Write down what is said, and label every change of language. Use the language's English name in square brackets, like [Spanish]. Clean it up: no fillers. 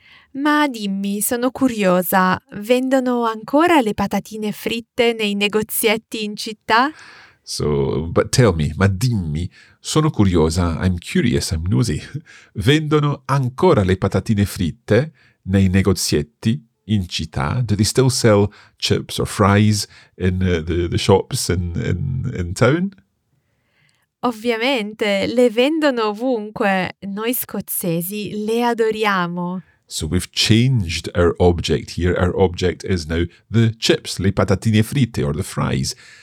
[Italian] Ma dimmi, sono curiosa, vendono ancora le patatine fritte nei negozietti in città? [English] So, but tell me, [Italian] ma dimmi, sono curiosa, [English] I'm curious, I'm nosy. [Italian] Vendono ancora le patatine fritte nei negozietti in città? [English] Do they still sell chips or fries in the shops in town? [Italian] Ovviamente, le vendono ovunque. Noi scozzesi le adoriamo. [English] So we've changed our object here. Our object is now the chips, [Italian] le patatine fritte [English] or the fries.